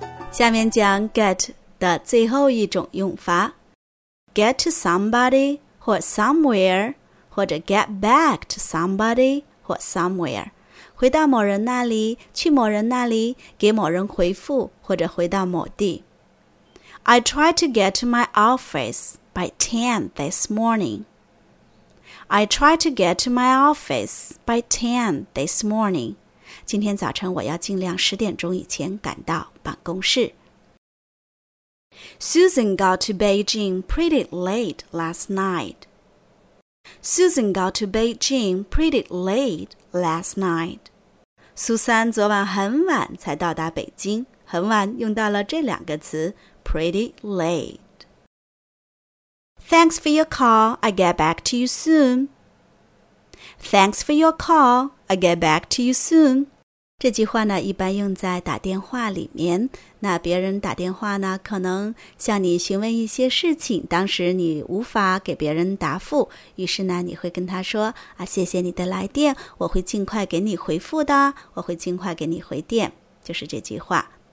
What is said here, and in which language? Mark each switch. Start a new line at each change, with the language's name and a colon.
Chinese: 下面讲 get 的最后一种用法。
English: Get to somebody or somewhere 或者 get back to somebody or somewhere.
Chinese: 回到某人那里，去某人那里，给某人回复，或者回到某地。
English: I tried to get to my office by 10 this morning. I tried to get to my office by 10 this morning.
Chinese: 今天早晨我要尽量十点钟以前赶到办公室。
English: Susan got to Beijing pretty late last night. Susan got to Beijing pretty late last night.
Chinese: 苏珊昨晚很晚才到达北京，很晚用到了这两个词
English: pretty late. Thanks for your call, I get back to you soon. Thanks for your call, I get back to you soon.
Chinese: 这句话呢一般用在打电话里面，那别人打电话呢可能向你询问一些事情，当时你无法给别人答复，于是呢你会跟他说啊，谢谢你的来电，我会尽快给你回复的，我会尽快给你回电，就是这句话。